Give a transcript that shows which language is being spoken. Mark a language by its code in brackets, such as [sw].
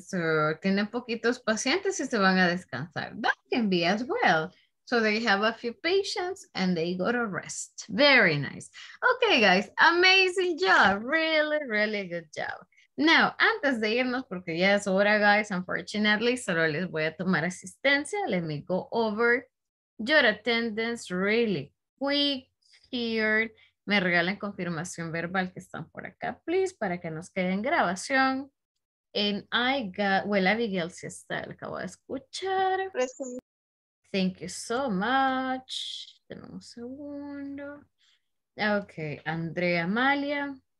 [es] So, tienen poquitos pacientes y se van a descansar. [en] That can be as well. So, they have a few patients and they go to rest. Very nice. Okay, guys. Amazing job. Really, really good job. [es] Now, antes de irnos, porque ya es hora, guys, [en] unfortunately, [es] solo les voy a tomar asistencia. [en] Let me go over your attendance really quick here. [es] Me regalan confirmación verbal que están por acá, please, para que nos quede en grabación. [en] And I got, well, [es] Abigail, si está, la acabo de escuchar. [en] Present. Thank you so much. [es] Denme un segundo. [en] Okay, Andrea Amalia.